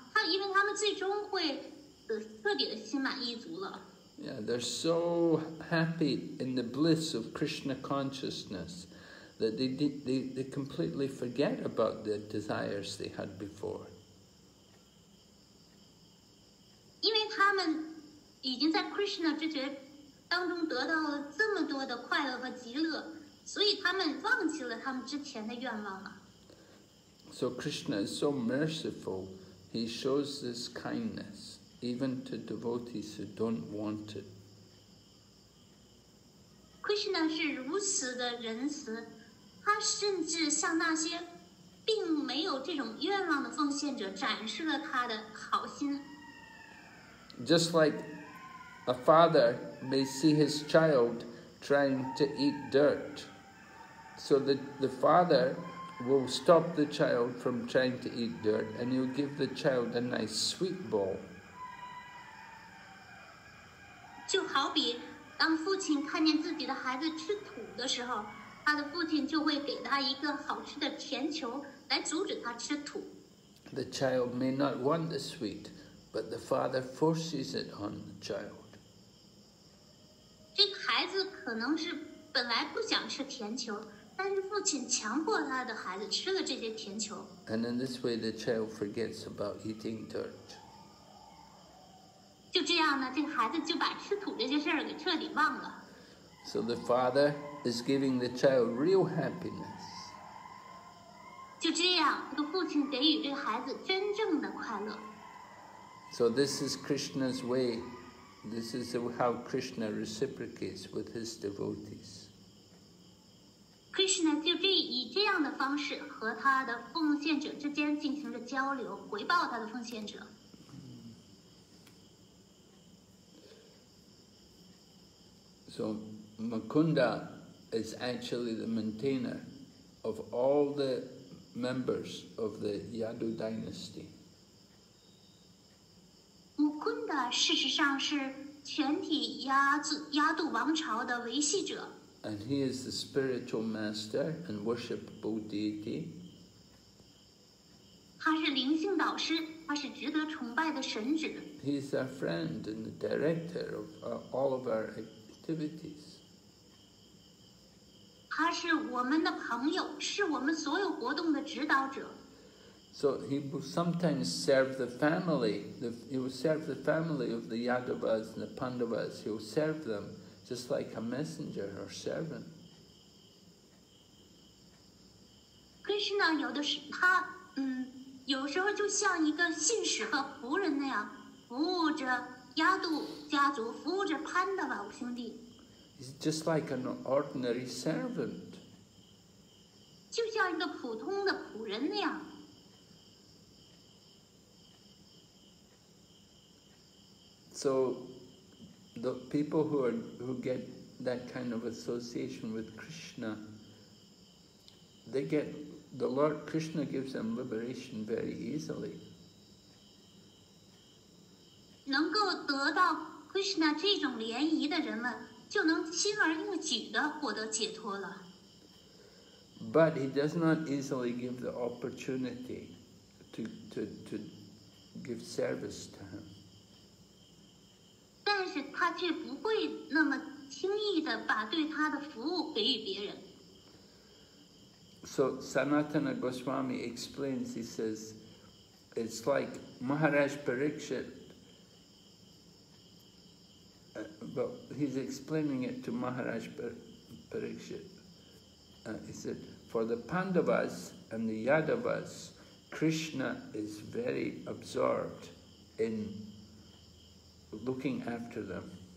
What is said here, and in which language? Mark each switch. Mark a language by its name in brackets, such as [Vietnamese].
[Chinese] 因为他们最终会彻底的心满意足了。 [English] Yeah, they're so happy in the bliss of Krishna consciousness that they completely forget about the desires they had before. Because they have already received Krishna consciousness, so many joy and happiness, so they have forgotten their previous wishes. So Krishna is so merciful; he shows this kindness. Even to devotees who don't want it. [Chinese] Krishna 是如此的仁慈，他甚至向那些并没有这种愿望的奉献者展示了他的好心。 [English] Just like a father may see his child trying to eat dirt, so the father will stop the child from trying to eat dirt, and he'll give the child a nice sweet ball. [Chinese] 就好比当父亲看见自己的孩子吃土的时候，他的父亲就会给他一个好吃的甜球来阻止他吃土。 [English] The child may not want the sweet, but the father forces it on the child. [Chinese] 这个孩子可能是本来不想吃甜球，但是父亲强迫他的孩子吃了这些甜球。 [English] And in this way, the child forgets about eating dirt. [Chinese] 就这样呢，这个孩子就把吃土这件事儿给彻底忘了。 [English] So the father is giving the child real happiness. [Chinese] 就这样，这个父亲给予这个孩子真正的快乐。 [English] So this is Krishna's way. This is how Krishna reciprocates with his devotees. [Chinese] Krishna 就这以这样的方式和他的奉献者之间进行着交流，回报他的奉献者。 [English] So Mukunda is actually the maintainer of all the members of the Yadu dynasty. [Chinese] Mukunda 事实上是全体亚杜王朝的维系者。 [English] And he is the spiritual master and worshipable deity. [Chinese] 他是灵性导师，他是值得崇拜的神祇。 [English] He is our friend and the director of all of our activities. [Chinese] 他是我们的朋友，是我们所有活动的指导者。 [English] So he will sometimes serve the family. He will serve the family of the Yadavas and the Pandavas. He will serve them just like a messenger or servant. [Chinese] Krishna 有的是他，有时候就像一个信使和仆人那样，服务着亚杜家族，服务着潘达瓦兄弟。 [English] He's just like an ordinary servant. [Chinese] 就像一个普通的仆人那样。 [English] So, the people who get that kind of association with Krishna, they get the Lord Krishna gives them liberation very easily. [Chinese] 能够得到 Krishna 这种联谊的人们。就能轻而易举地获得解脱了。 [English] But he does not easily give the opportunity to give service to him. [Chinese] 但是他却不会那么轻易地把对他的服务给予别人。 [English] So Sanatana Goswami explains, he says, it's like Maharaj Parikshit. But he's explaining it to Maharaj Parikshit. He said, for the Pandavas and the Yadavas, Krishna is very absorbed in looking after them.